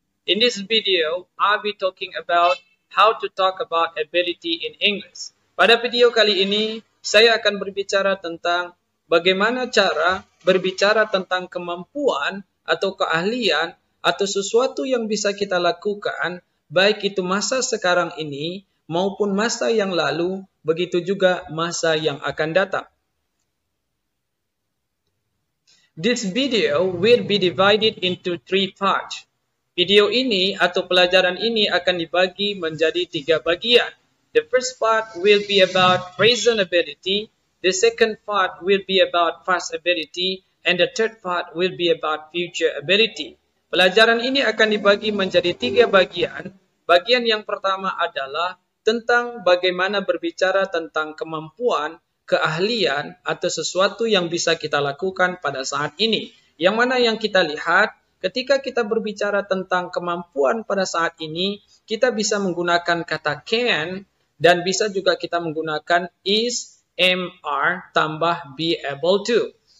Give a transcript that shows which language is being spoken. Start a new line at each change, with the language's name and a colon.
English: In this video, I'll be talking about how to talk about ability in English.
Indonesian: Pada video kali ini, saya akan berbicara tentang bagaimana cara berbicara tentang kemampuan atau keahlian atau sesuatu yang bisa kita lakukan, baik itu masa sekarang ini maupun masa yang lalu, begitu juga masa yang akan datang.
English: This video will be divided into three parts.
Indonesian: Video ini atau pelajaran ini akan dibagi menjadi tiga bagian.
English: The first part will be about present ability, the second part will be about past ability, and the third part will be about future ability.
Indonesian: Pelajaran ini akan dibagi menjadi tiga bagian. Bagian yang pertama adalah tentang bagaimana berbicara tentang kemampuan, keahlian, atau sesuatu yang bisa kita lakukan pada saat ini. Yang mana yang kita lihat, ketika kita berbicara tentang kemampuan pada saat ini, kita bisa menggunakan kata can, dan bisa juga kita menggunakan is, am, are, tambah be able to.